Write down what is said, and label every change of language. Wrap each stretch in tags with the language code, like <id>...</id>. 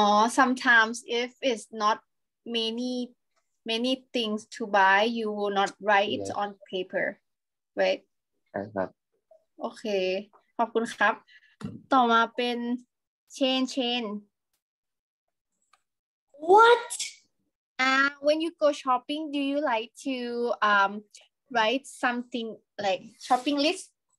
<en>sometimes if it's not many things to buy, you will not write it on paper, right? Okay.</en> <th>ขอบคุณครับ ต่อมาเป็น Chain.</th> <en>What? When you go shopping, do you like to write something like shopping list?</en>